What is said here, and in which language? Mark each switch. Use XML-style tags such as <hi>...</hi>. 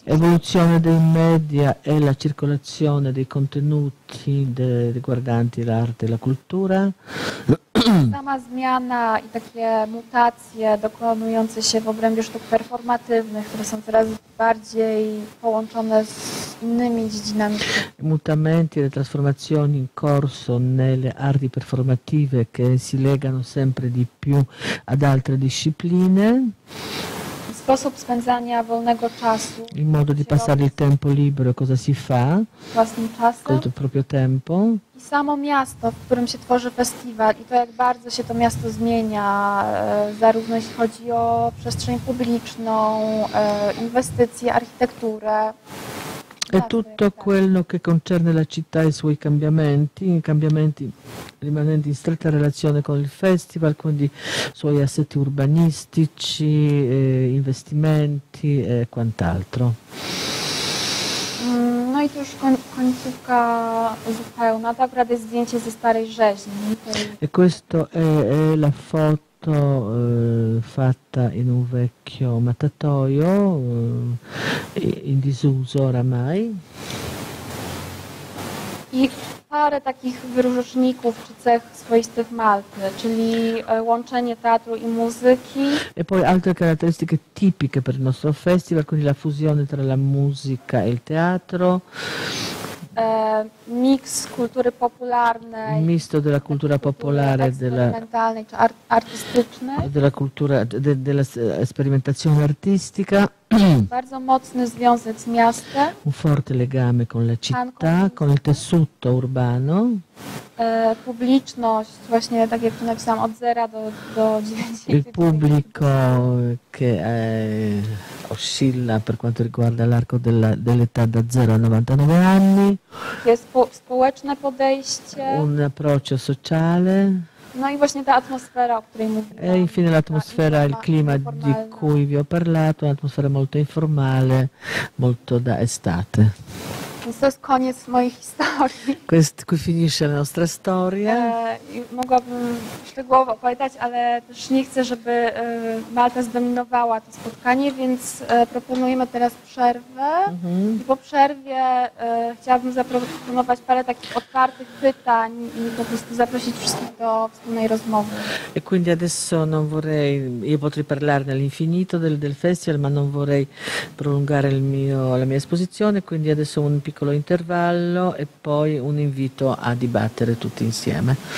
<it>Evoluzione dei media e la circolazione dei contenuti riguardanti l'arte e la cultura.</it> <pl>Sama zmiana i takie mutacje dokonujące się w obrębie sztuk performatywnych, które są coraz bardziej połączone z innymi dziedzinami.</pl> <it>Mutamenti e trasformazioni in corso nelle arti performative che si legano sempre di più ad altre discipline.</it> <pl>Sposób spędzania wolnego czasu.</pl> <it>Il modo di passare il tempo libero, cosa si fa?</it> <pl>Własnym czasem.</pl> <it>Col proprio tempo.</it> <pl>I samo miasto, w którym się tworzy festiwal i to, jak bardzo się to miasto zmienia, zarówno jeśli chodzi o przestrzeń publiczną, inwestycje, architekturę.</pl> <it>E tutto quello che concerne la città e i suoi cambiamenti, i cambiamenti rimanenti in stretta relazione con il festival, quindi suoi assetti urbanistici, investimenti e quant'altro.</it> <pl>No i to już końcówka zupełna, to akurat jest zdjęcie ze starej rzeźni.</pl> <it>E questo è la foto fatta in un vecchio mattatoio, in disuso oramai.</it> <pl>I parę takich wyróżników czy cech swoistych Malty, czyli łączenie teatru i muzyki.</pl> <it>E poi altre caratteristiche tipiche per il nostro festival, quindi la fusione tra la musica e il teatro.</it> <pl>Miks kultury popularnej.</pl> <it>Misto della cultura popolare,</it> <pl>eksperymentalnej czy artystycznej.</pl> <it>Della cultura, della sperimentazione artistica.</it> <pl>bardzo mocny związek z miastem.</pl> <it>Un forte legame con la città, con il tessuto urbano.</it> <pl>Publiczność, właśnie tak jak tu napisałam, od zera do 90.</pl> <it>Il pubblico che oscilla per quanto riguarda l'arco dell'età da 0 a 99 anni.</it> <pl>Jest społeczne podejście.</pl> <it>Un approccio sociale.</it> <pl>No i właśnie ta atmosfera, o której mówiłam.</pl> <it>E infine l'atmosfera, il clima di cui vi ho parlato, un'atmosfera molto informale, molto da estate.</it> <pl>To jest koniec mojej historii.</pl> <it>Qui finisce la nostra storia.</it> <pl>Mogłabym szczegółowo opowiadać, ale też nie chcę, żeby Malta zdominowała to spotkanie, więc proponujemy teraz przerwę. Mm-hmm. I po przerwie chciałabym zaproponować parę takich otwartych pytań i po prostu zaprosić wszystkich do wspólnej rozmowy.</pl> <it>E quindi adesso non vorrei, io potrei parlarne all'infinito del festival, ma non vorrei prolungare la mia esposizione, quindi adesso un piccolo intervallo e poi un invito a dibattere tutti insieme.</it>